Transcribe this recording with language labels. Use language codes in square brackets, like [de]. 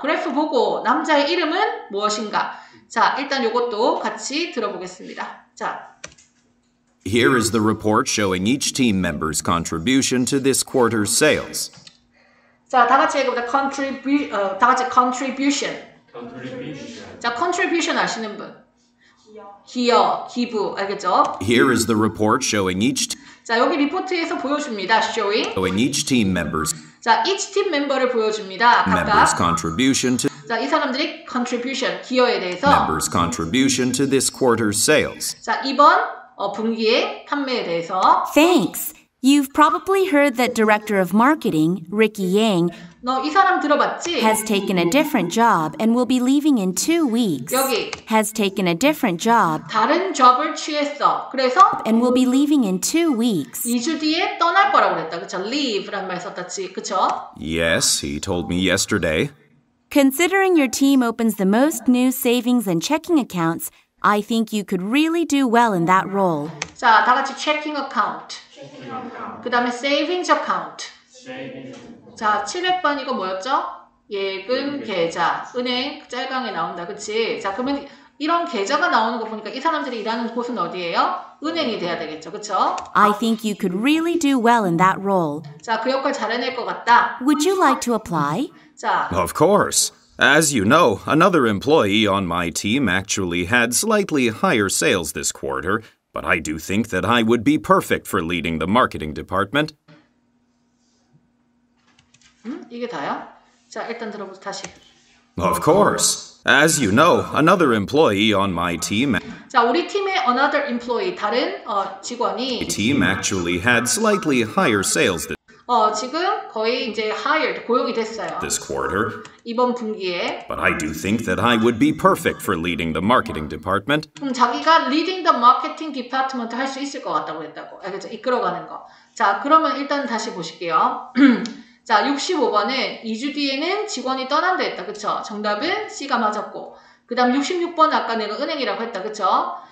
[ko] 그래프 보고 남자의 이름은 무엇인가? 자, 일단 이것도 같이 들어보겠습니다. 자, [en] Here is the report showing each team member's contribution to this quarter's sales. [ko] 자, 다 같이 읽어보자. Contribution. [en] Contribution. [ko] 자, contribution 아시는 분? 기여, 기부, 알겠죠? [en] Here is the report showing each. [ko] 자 여기 리포트에서 보여줍니다. [en] Showing. Showing each team members. [ko] 자 each team member를 보여줍니다. 각각. [en] Members contribution to. [ko] 자 이 사람들이 contribution 기여에 대해서. [en] Members contribution to this quarter's sales. [ko] 자 이번 분기의 판매에 대해서. [en] Thanks. You've probably heard that director of marketing, Ricky Yang, [ko] 너 이 사람 들어봤지? [en] has taken a different job and will be leaving in 2 weeks. [ko] 여기. [en] has taken a different job. [ko] 다른 job을 취했어. 그래서 [en] and will be leaving in 2 weeks. [ko] 2주 뒤에 떠날 거라고 그랬다. 그쵸? leave라는 말 썼다지. 그쵸? [en] Yes, he told me yesterday. Considering your team opens the most new savings and checking accounts, I think you could really do well in that role. [ko] 자, 다 같이 checking account. 그 다음에 savings account. 자, 7회번 이거 뭐였죠? 예금, 계좌, 은행, 짤강에 나온다. 그치? 자, 그러면 이런 계좌가 나오는 거 보니까 이 사람들이 일하는 곳은 어디예요? 은행이 돼야 되겠죠. 그쵸? [en] I think you could really do well in that role. [ko] 자, 그 역할 잘 해낼 것 같다. [en] Would you like to apply? [ko] 자. [en] Of course. As you know, another employee on my team actually had slightly higher sales this quarter. But I do think that I would be perfect for leading the marketing department. [ko] 이게 다야? 자, 일단 들어보자, 다시. [en] Of course. As you know, another employee on my team... [ko] 자, 우리 팀의 another employee, 다른 직원이... [en] My team actually had slightly higher sales this... [ko] 지금 거의 이제 hired, 고용이 됐어요. [en] This quarter. [ko] 이번 분기에. [en] But I do think that I would be perfect for leading the marketing department. [ko] 그럼 자기가 [en] leading the marketing department [ko] 할 수 있을 것 같다고 했다고. 알겠죠? 이끌어가는 거. 자, 그러면 일단 다시 보실게요. 자, 65번에 2주 뒤에는 직원이 떠난다 했다. 그쵸? 정답은 C가 맞았고. 그 다음 66번 아까 내가 은행이라고 했다. 그쵸?